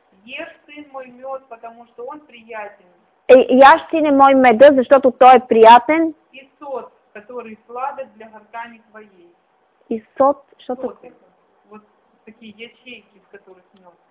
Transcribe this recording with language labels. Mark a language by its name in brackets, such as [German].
[Russian] Еш, син мой, мед, потому что он приятен. [Bulgarian] Яш, сине мой, меда, защото той е приятен. [Russian] И сот, который сладок для гортани твоей. И сот, что сот такое? Вот такие ячейки, в которых мед.